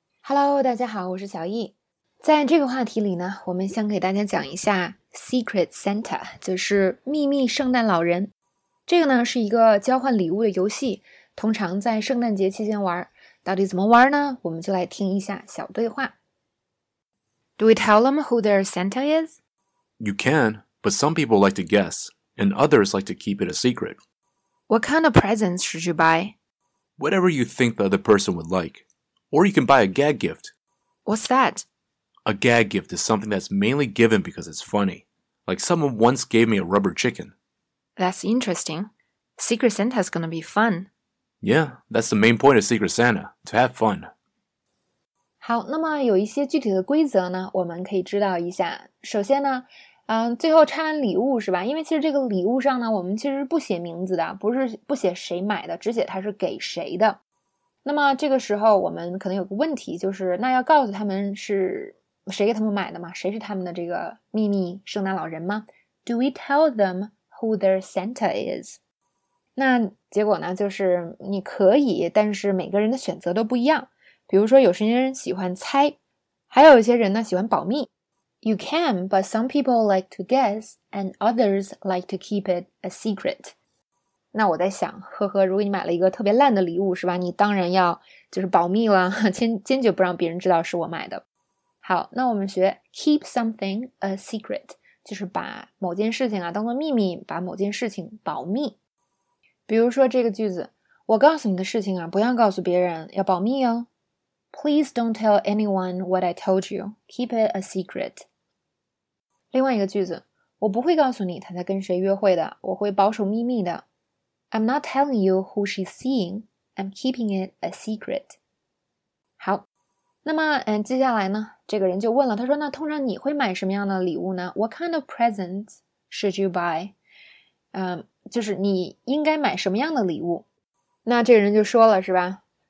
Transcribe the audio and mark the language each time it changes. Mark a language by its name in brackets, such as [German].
[Chinese] Hello，大家好，我是小易。在这个话题里呢，我们想给大家讲一下 Secret Santa，就是秘密圣诞老人。这个呢是一个交换礼物的游戏，通常在圣诞节期间玩。到底怎么玩呢？我们就来听一下小对话。 [English] Do we tell them who their Santa is? You can, but some people like to guess, and others like to keep it a secret. What kind of presents should you buy? Whatever you think the other person would like. Or you can buy a gag gift. What's that? A gag gift is something that's mainly given because it's funny. Like someone once gave me a rubber chicken. That's interesting. Secret Santa's gonna be fun. that's the main point of Secret Santa, to have fun. [Chinese] 好，那么有一些具体的规则呢，我们可以知道一下。首先呢，最后拆完礼物是吧？因为其实这个礼物上呢，我们其实不写名字的，不是不写谁买的，只写它是给谁的。那么这个时候我们可能有个问题，就是那要告诉他们是谁给他们买的吗？谁是他们的这个秘密圣诞老人吗？ [English] Do we tell them who their Santa is？ [Chinese] 那结果呢，就是你可以，但是每个人的选择都不一样。比如说，有些人喜欢猜，还有一些人呢喜欢保密。 [English] You can, but some people like to guess, and others like to keep it a secret. [Chinese] 那我在想，呵呵，如果你买了一个特别烂的礼物，是吧？你当然要就是保密了，坚决不让别人知道是我买的。好，那我们学 [English] keep something a secret， [Chinese] 就是把某件事情啊当做秘密，把某件事情保密。比如说这个句子，我告诉你的事情啊，不要告诉别人，要保密哦。 [English] Please don't tell anyone what I told you. Keep it a secret. [Chinese] 另外一个句子，我不会告诉你他在跟谁约会的，我会保守秘密的。 [English] I'm not telling you who she's seeing. I'm keeping it a secret. [Chinese] 好，那么接下来呢，这个人就问了，他说：“那通常你会买什么样的礼物呢？ [English] What kind of presents should you buy？ [Chinese] 就是你应该买什么样的礼物？那这个人就说了，是吧？